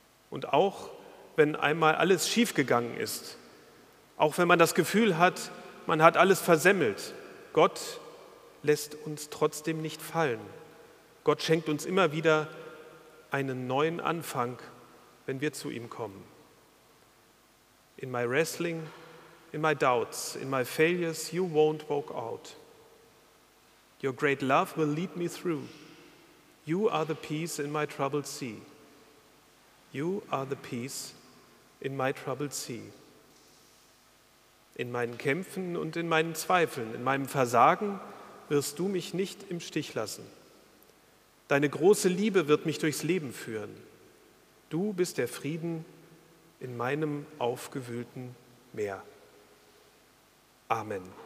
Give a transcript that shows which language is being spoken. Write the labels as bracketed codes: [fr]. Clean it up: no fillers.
[de] Und auch wenn einmal alles schiefgegangen ist, auch wenn man das Gefühl hat, man hat alles versemmelt, Gott lässt uns trotzdem nicht fallen. Gott schenkt uns immer wieder einen neuen Anfang, wenn wir zu ihm kommen. [en] In my wrestling, in my doubts, in my failures, you won't walk out. Your great love will lead me through. You are the peace in my troubled sea. You are the peace in my troubled sea. [de] In meinen Kämpfen und in meinen Zweifeln, in meinem Versagen wirst du mich nicht im Stich lassen. Deine große Liebe wird mich durchs Leben führen. Du bist der Frieden in meinem aufgewühlten Meer. Amen.